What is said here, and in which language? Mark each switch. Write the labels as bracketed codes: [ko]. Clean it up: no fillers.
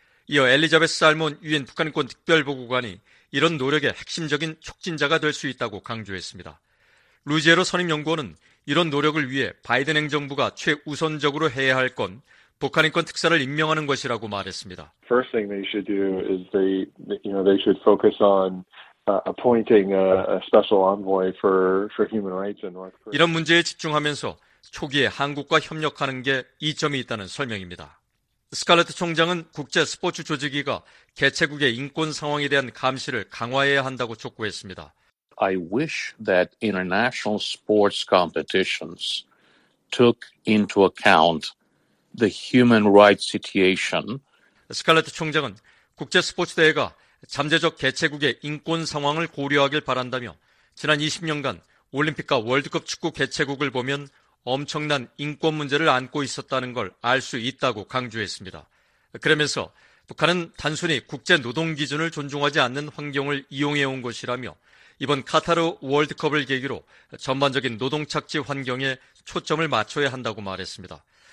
[ko] 이어 엘리자베스 살몬 유엔 북한인권 특별보고관이 이런 노력의 핵심적인 촉진자가 될 수 있다고 강조했습니다. 루지에로 선임연구원은 이런 노력을 위해 바이든 행정부가 최우선적으로 해야 할 건 북한 인권 특사를 임명하는 것이라고 말했습니다. [en] First thing they should do is they, you know, they should focus on appointing a special envoy for human rights in North Korea. [ko] 이런 문제에 집중하면서 초기에 한국과 협력하는 게 이점이 있다는 설명입니다. 스칼레트 총장은 국제 스포츠 조직위가 개최국의 인권 상황에 대한 감시를 강화해야 한다고 촉구했습니다. [en] I wish that international sports competitions took into account the human rights situation. [ko] 스칼레트 총장은 국제 스포츠 대회가 잠재적 개최국의 인권 상황을 고려하길 바란다며 지난 20년간 올림픽과 월드컵 축구 개최국을 보면 엄청난 인권 문제를 안고 있었다는 걸 알 수 있다고 강조했습니다. 그러면서 북한은 단순히 국제 노동 기준을 존중하지 않는 환경을 이용해 온 것이라며 이번 카타르 월드컵을 계기로 전반적인 노동 착취 환경에 초점을 맞춰야 한다고 말했습니다.